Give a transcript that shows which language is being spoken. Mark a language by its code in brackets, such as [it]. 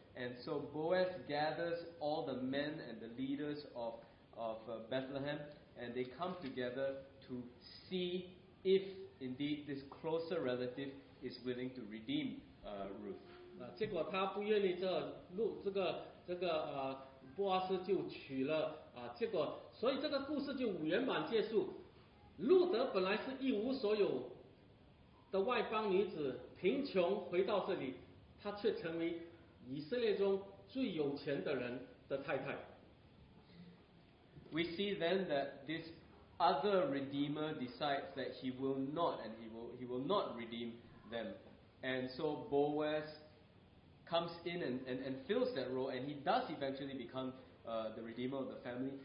[en] And so Boaz gathers all the men and the leaders of Bethlehem, and they come together to see if indeed this closer relative is willing to redeem Ruth. [zh] 结果他不愿意这路这个波阿斯就娶了结果所以这个故事就圆满结束。路德本来是一无所有的外邦女子，贫穷回到这里，她却成为以色列中最有钱的人的太太。 [en] We see then that this other redeemer decides that he will not and he will not redeem them, and so Boaz comes in and fills that role, and he does eventually become the redeemer of the family.